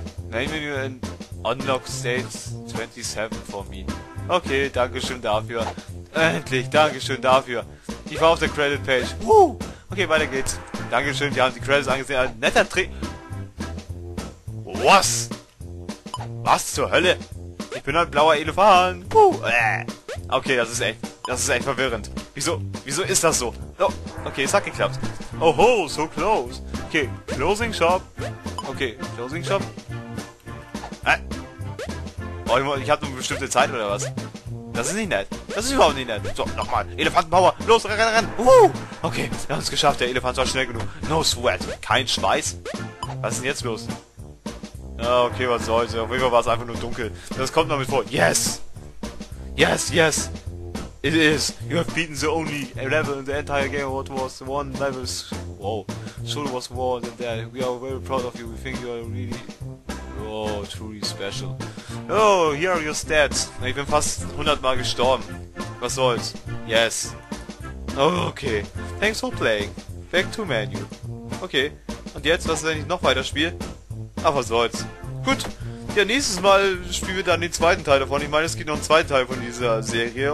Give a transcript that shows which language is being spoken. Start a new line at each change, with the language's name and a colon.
English: Main menu and unlock states 27 for me.
German: Okay, dankeschön dafür. Endlich, dankeschön dafür. Ich war auf der Credit Page. Okay, weiter geht's. Dankeschön, wir haben die Credits angesehen. Ein netter Trick. Was? Was zur Hölle? Ich bin ein blauer Elefant. Okay, das ist echt verwirrend. Wieso ist das so? Oh, okay, es hat geklappt.
English: Oho, so close. Okay, Closing Shop. Okay, Closing Shop.
German: Ich hab nur eine bestimmte Zeit, oder was? Das ist nicht nett. Das ist überhaupt nicht nett. So, nochmal. Elefantenpower. Los, renn. Okay, wir haben es geschafft. Der Elefant war schnell genug.
English: No sweat.
German: Kein Schweiß. Was ist denn jetzt los? Ah, okay, was soll's. Auf jeden Fall war es einfach nur dunkel. Das kommt noch mit vor.
English: Yes. Yes, yes. It is. You have beaten the only level in the entire game. What was one level? Wow. Should was more than that. We are very proud of you. We think you are really... Oh, truly special. Oh, here are your stats.
German: Ich bin fast 100 Mal gestorben.
English: Was soll's? Yes. Oh, okay. Thanks for playing. Back to menu. Okay.
German: Und jetzt, was ist, wenn ich noch weiter spiele? Ach, was soll's. Gut. Ja, nächstes Mal spielen wir dann den zweiten Teil davon. Ich meine, es gibt noch einen zweiten Teil von dieser Serie.